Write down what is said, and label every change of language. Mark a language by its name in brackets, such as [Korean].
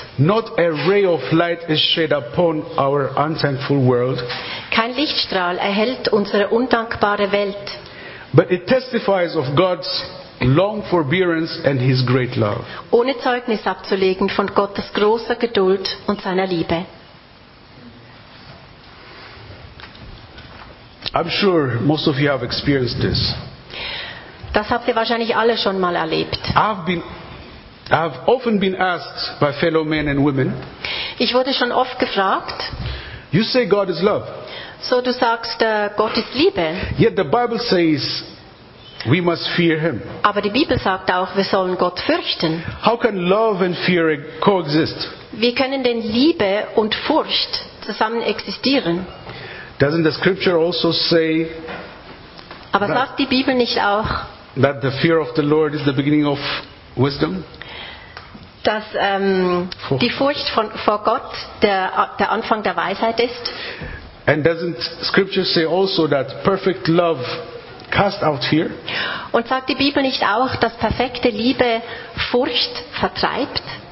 [English] Not a ray of light is shed upon our unthankful world. [German] Kein Lichtstrahl erhellt unsere undankbare Welt. [English] But it testifies of God's long forbearance and his great love. [German] Ohne Zeugnis abzulegen von Gottes großer Geduld und seiner Liebe. [English] I'm sure most of you have experienced this. [German] Das habt ihr wahrscheinlich alle schon mal erlebt. [English] I've often been asked by fellow men and women. [German] Ich wurde schon oft gefragt. [English] You say God is love. [German] So du sagst, Gott ist Liebe. [English] Yet the Bible says we must fear him. [German] Aber die Bibel sagt auch, wir sollen Gott fürchten. [English] How can love and fear coexist? [German] Wie können denn Liebe und Furcht zusammen existieren? [English] Doesn't the scripture also say? [German] Aber sagt die Bibel nicht auch? [English] That the fear of the Lord is the beginning of wisdom. [German] Dass die Furcht vor Gott der Anfang der Weisheit ist. [English] And doesn't scripture say also that perfect love cast out fear? [German] Und sagt die Bibel nicht auch, dass perfekte Liebe Furcht vertreibt?